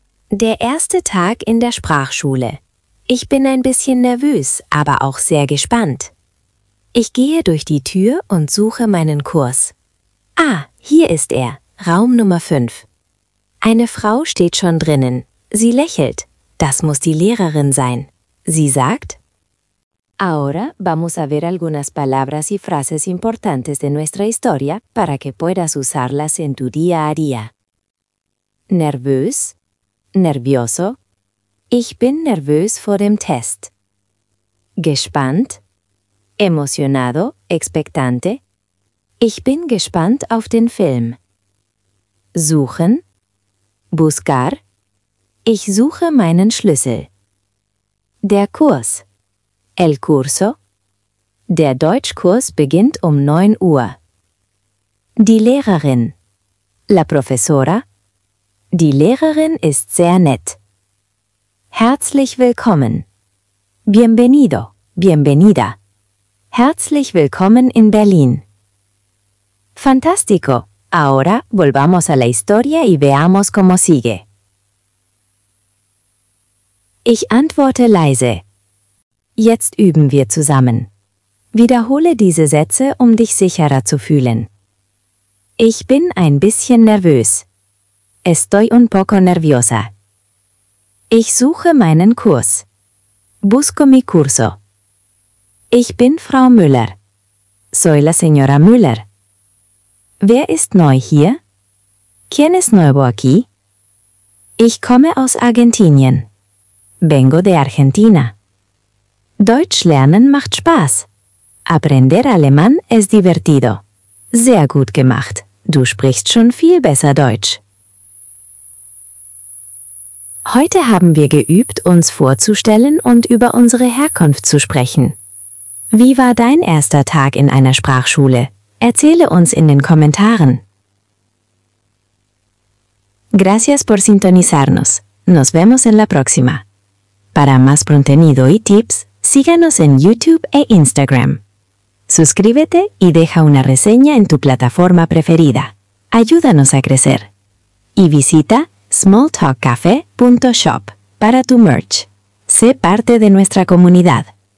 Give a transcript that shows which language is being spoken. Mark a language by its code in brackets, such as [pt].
[de] Der erste Tag in der Sprachschule. Ich bin ein bisschen nervös, aber auch sehr gespannt. Ich gehe durch die Tür und suche meinen Kurs. Ah, hier ist er, Raum Nummer 5. Eine Frau steht schon drinnen. Sie lächelt. Das muss die Lehrerin sein. Sie sagt: [es] Ahora vamos a ver algunas palabras y frases importantes de nuestra historia para que puedas usarlas en tu día a día. [de] Nervös, nervioso. Ich bin nervös vor dem Test. Gespannt, emocionado, expectante. Ich bin gespannt auf den Film. Suchen, buscar. Ich suche meinen Schlüssel. Der Kurs. El curso. Der Deutschkurs beginnt um 9 Uhr. Die Lehrerin. La profesora. Die Lehrerin ist sehr nett. Herzlich willkommen. [es] Bienvenido, bienvenida. [de] Herzlich willkommen in Berlin. Fantástico. [es] Ahora volvamos a la historia y veamos cómo sigue. [de] Ich antworte leise. Jetzt üben wir zusammen. Wiederhole diese Sätze, um dich sicherer zu fühlen. Ich bin ein bisschen nervös. [es] Estoy un poco nerviosa. [de] Ich suche meinen Kurs. [es] Busco mi curso. [de] Ich bin Frau Müller. [es] Soy la señora Müller. [de] Wer ist neu hier? [es] ¿Quién es nuevo aquí? [de] Ich komme aus Argentinien. [es] Vengo de Argentina. [de] Deutsch lernen macht Spaß. [es] Aprender alemán es divertido. [de] Sehr gut gemacht. Du sprichst schon viel besser Deutsch. Heute haben wir geübt, uns vorzustellen und über unsere Herkunft zu sprechen. Wie war dein erster Tag in einer Sprachschule? Erzähle uns in den Kommentaren. [es] Gracias por sintonizarnos. Nos vemos en la próxima. Para más contenido y tips, síganos en YouTube e Instagram. Suscríbete y deja una reseña en tu plataforma preferida. Ayúdanos a crecer. Y visita smalltalkcafe.shop para tu merch. Sé parte de nuestra comunidad.